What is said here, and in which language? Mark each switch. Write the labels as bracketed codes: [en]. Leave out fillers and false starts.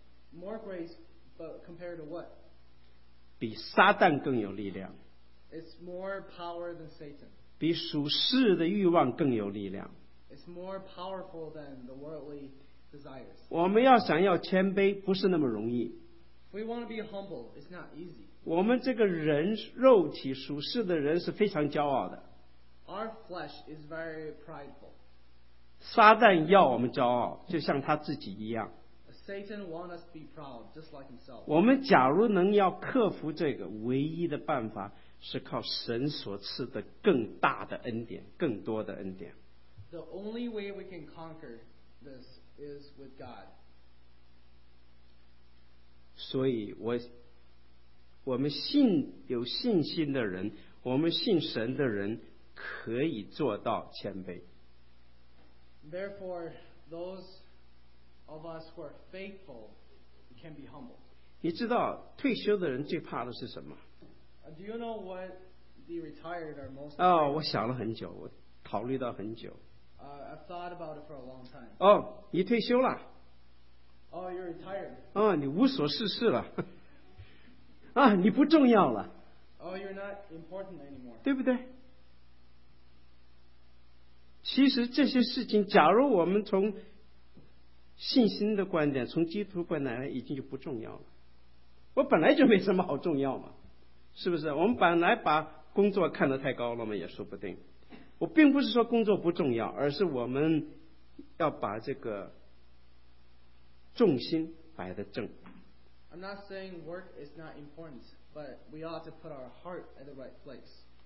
[en] More grace, but compared to what? [zh] 比撒旦更有力量。 [en] It's more power than Satan. [zh] 比属世的欲望更有力量。 [en] It's more powerful than the worldly desires. [zh] 我们要想要谦卑不是那么容易。 [en] We want to be humble, it's not easy. [zh] 我们这个人肉体属世的人是非常骄傲的。 [en] Our flesh is very prideful. [zh] 撒旦要我们骄傲就像他自己一样。 [en] Satan wants us to be proud, just like himself. [zh] 我们假如能要克服这个唯一的办法是靠神所赐的更大的恩典更多的恩典。 [en] The only way we can conquer this is with God. [zh] 所以我们信有信心的人我们信神的人可以做到谦卑。 [en] Therefore, those of us who are faithful can be humble. [zh] 你知道退休的人最怕的是什么？ [en] Do you know what the retired are most afraid of? [zh] 我想了很久我考虑到很久。 [en] I've thought about it for a long time. [zh] 哦、oh, 你退休了。 [en] Oh, you're retired. [zh] 哦、oh, 你无所事事了。啊、oh, 你不重要了。 [en] Oh, you're not important anymore. [zh] 对不对？其实这些事情假如我们从信心的观点从基督观点来已经就不重要了。我本来就没什么好重要嘛。是不是我们本来把工作看得太高了嘛也说不定。我并不是说工作不重要而是我们要把这个重心摆得正。 [en] I'm not saying work is not important, but we ought to put our heart at the right place.